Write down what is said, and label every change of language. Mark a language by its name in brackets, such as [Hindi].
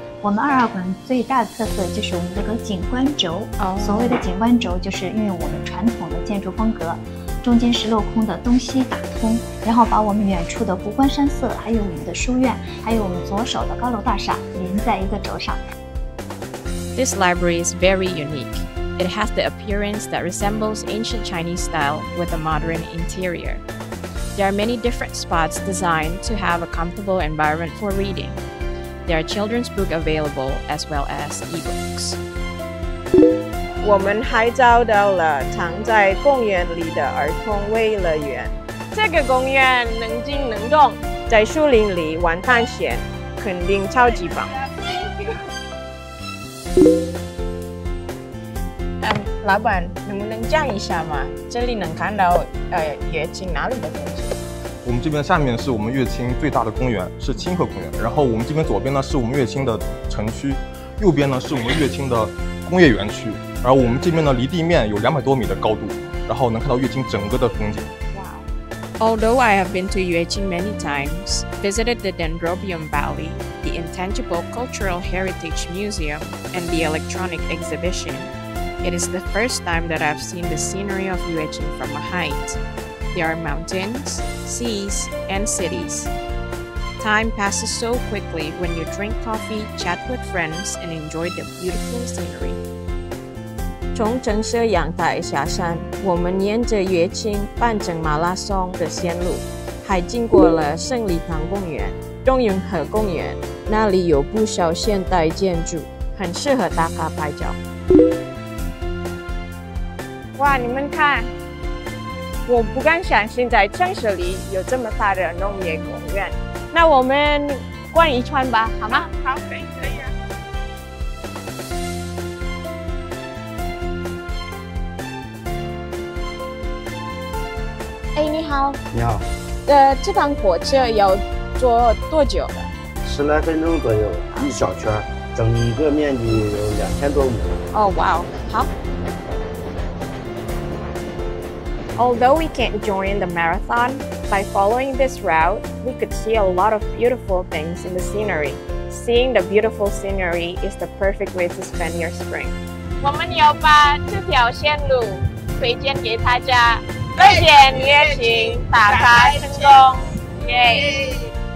[Chinese] 我们二号馆最大的特色就是我们这个景观轴。所谓的景观轴，就是运用我们传统的建筑风格，中间是镂空的，东西打通，然后把我们远处的湖光山色，还有我们的书院，还有我们左手的高楼大厦连在一个轴上。 [English] This library is very unique. It has the appearance that resembles ancient Chinese style with a modern interior. There are many different spots designed to have a comfortable environment for reading. There are children's books available as well as e-books. [Chinese] 我们还找到了藏在公园里的儿童游乐园。这个公园能静能动，在树林里玩探险，肯定超级棒。老板，能不能讲一下吗？这里能看到乐清哪里的东西？我们这边下面是我们乐清最大的公园，是清河公园。然后我们这边左边呢是我们乐清的城区，右边呢是我们乐清的工业园区。而我们这边呢离地面有200多米的高度，然后能看到乐清整个的风景。 [English] Wow. Although I have been to Yueqing many times, visited the Dendrobium Valley, the Intangible Cultural Heritage Museum, and the Electronic Exhibition, it is the first time that I've seen the scenery of Yueqing from a height. There are mountains, seas, and cities. Time passes so quickly when you drink coffee, chat with friends, and enjoy the beautiful scenery. [Chinese] 从城市阳台下山，我们沿着乐清半程马拉松的线路，还经过了胜利堂公园、中永和公园，那里有不少现代建筑，很适合打卡拍照。哇，你们看！我不敢相信在城市里有这么大的农业公园。那我们逛一圈吧，好吗？好，可以，可以啊。哎，你好。你好。这趟火车要坐多久了？十来分钟左右，一小圈，整个面积有2000多米。哦，哇哦，好。 [English] Although we can't join the marathon, by following this route, we could see a lot of beautiful things in the scenery. Seeing the beautiful scenery is the perfect way to spend your spring. [Chinese] 我们要把这条线路推荐给大家，乐见乐行，打卡成功，耶！